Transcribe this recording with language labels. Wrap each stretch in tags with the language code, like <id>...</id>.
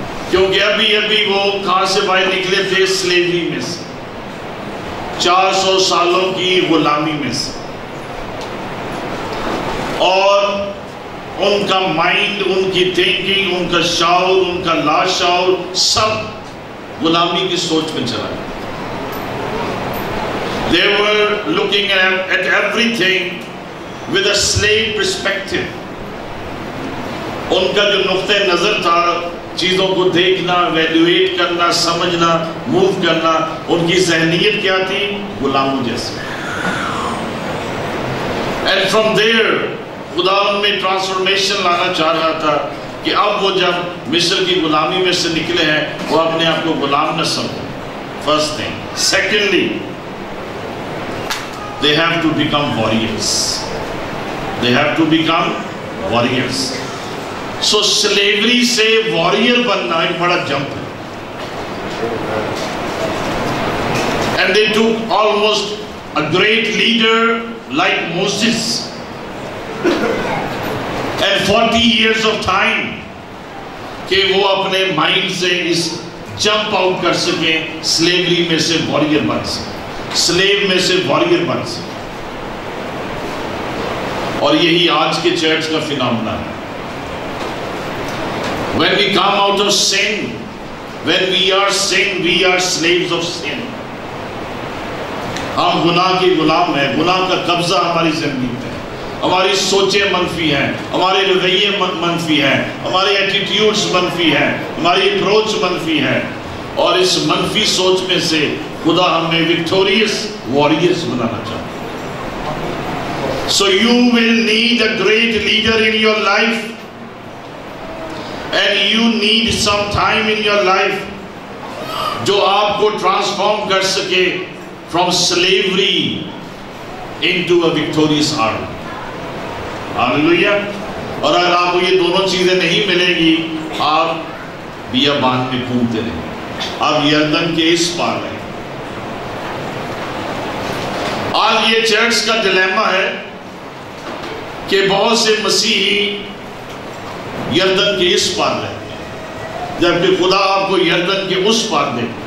<hi>क्योंकि अभी अभी वो कहां से बाहर निकले थे? स्लेवरी में से, 400 सालों की गुलामी में से, और उनका माइंड, उनकी थिंकिंग, उनका शाऊर, उनका लाशाऊर सब गुलामी की सोच में चला गया।</hi> <en>They were looking at everything with a slave perspective.</en> <hi>उनका जो नुक्ते नजर था चीजों को देखना, evaluate करना, समझना, move करना, उनकी ज़हनियत क्या थी? गुलामों जैसी।</hi> <en>And from there,</en> <hi>खुदा उनमें transformation लाना चाह रहा था कि अब वो जब मिस्र की गुलामी में से निकले हैं, वो अपने आप को गुलाम न समझे।</hi> <en>First thing. Secondly, they have to become warriors. They have to become warriors.</en> <hi>So slavery से warrior बनना एक बड़ा jump है।</hi> <en>And they took almost a great leader like Moses. And 40 years of time</en> <hi>कि वो अपने mind से इस jump out कर सके, slavery में से warrior बन सके, slave में से warrior बन सके। और यही आज के चर्च का फिनोमेना है।</hi> <en>When we come out of sin, when we are sin, we are slaves of sin.</en> <hi>हम गुनाह के गुलाम हैं, गुनाह का कब्जा हमारी जिंदगी पे है, हमारी सोचें मनफी हैं, हमारे रवैये मनफी हैं, हमारे एटीट्यूड्स मनफी हैं, हमारी अप्रोच मनफी है, और इस मनफी सोच में से खुदा हमें विक्टोरियस वॉरियर्स बनाना चाहता है।</hi> <en>So you will need a great leader in your life, and you need some time in your life</en> <hi>जो आपको transform कर सके</hi> <en>from slavery into a victorious army. Hallelujah.</en> <hi>और अगर आपको ये दोनों चीजें नहीं मिलेंगी, आप बियाबान में घूमते रहे, आप यर्दन के इस पार रहे। आज ये चर्च का डिलेमा है कि बहुत से मसीही यर्दन के इस पार रहते हैं, जबकि खुदा आपको यर्दन के उस पार दे।</hi>